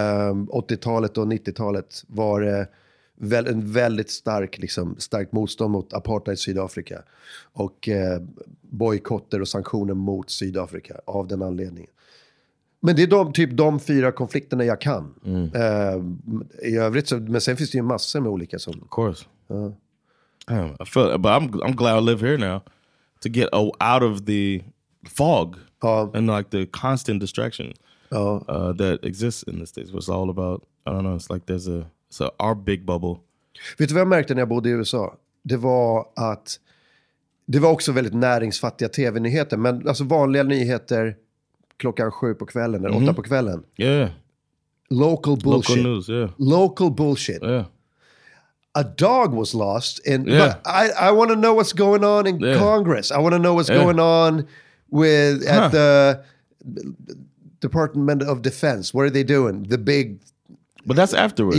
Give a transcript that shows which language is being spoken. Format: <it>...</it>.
<sv>80-talet och 90-talet var en väldigt stark, liksom, stark motstånd mot apartheid Sydafrika och bojkotter och sanktioner mot Sydafrika av den anledningen. Men det är de fyra konflikterna jag kan. I övrigt så, men sen finns det ju massor med olika som.</sv> <en>Of course. Damn, I feel, but I'm glad I live here now to get out of the fog and like the constant distraction that exists in the States. It's all about, I don't know, it's like there's a, so our big bubble.</en> <sv>Vet du vad jag märkte när jag bodde i USA? Det var att det var också väldigt näringsfattiga tv-nyheter, men alltså vanliga nyheter klockan 7 på kvällen eller 8 på kvällen.</sv> <en>Yeah. Local bullshit. Local news, yeah. Local bullshit. Yeah. A dog was lost and I want to know what's going on in Congress. I want to know what's going on with at the Department of Defense. What are they doing? The big. But that's afterwards.</en>